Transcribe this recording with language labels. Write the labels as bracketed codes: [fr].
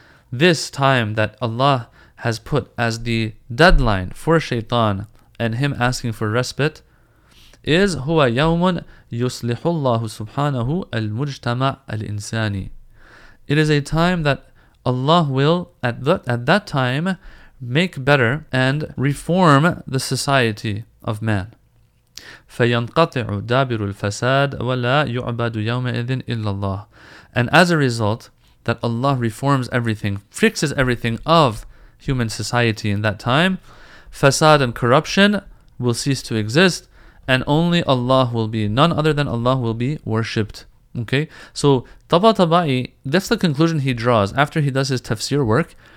[en] This time that Allah has put as the deadline for Shaytan and him asking for respite is [ar] هو يوم يصلح الله سبحانه المجتمع الإنساني. [en] It is a time that Allah will at that time make better and reform the society of man. [ar] فينقطع دابر الفساد ولا يعبد يومئذ إلا الله. [en] And as a result, that Allah reforms everything, fixes everything of human society in that time, fasad and corruption will cease to exist, and only Allah will be, none other than Allah will be worshipped. Okay, so Tabatabai, that's the conclusion he draws after he does his tafsir work.